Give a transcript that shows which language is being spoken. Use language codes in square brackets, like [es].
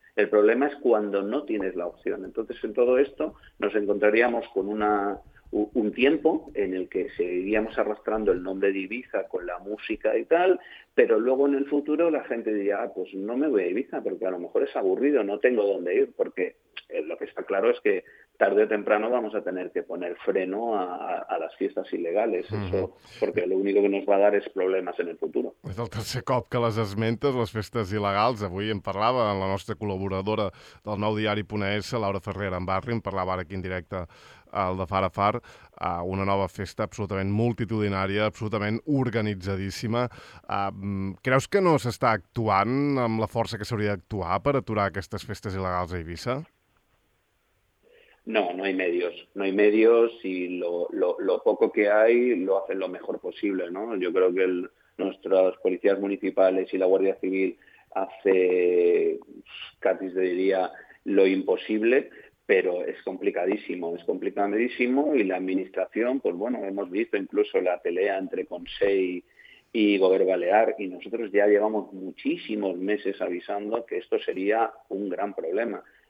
[es] El problema es cuando no tienes la opción. Entonces, en todo esto nos encontraríamos con un tiempo en el que seguiríamos arrastrando el nombre de Eivissa con la música y tal, pero luego en el futuro la gente diría, ah, pues no me voy a Eivissa porque a lo mejor es aburrido, no tengo dónde ir, porque lo que está claro es que tarde o temprano vamos a tener que poner freno a las fiestas ilegales, eso, porque lo único que nos va a dar es problemas en el futuro. [ca] És el tercer cop que les esmentes, les festes il·legals. Avui en parlava amb la nostra col·laboradora del nou diari Punt.es, Laura Ferrera, en Barri, en parlava ara aquí en directe el de Far a Far, una nova festa absolutament multitudinària, absolutament organitzadíssima. Creus que no s'està actuant amb la força que s'hauria d'actuar per aturar aquestes festes il·legals a Eivissa? [es] No hay medios. No hay medios y lo poco que hay lo hacen lo mejor posible, ¿no? Yo creo que nuestras policías municipales y la Guardia Civil hace, casi se diría, lo imposible, pero es complicadísimo, y la administración, pues bueno, hemos visto incluso la pelea entre Consell y Gobierno Balear, y nosotros ya llevamos muchísimos meses avisando que esto sería un gran problema.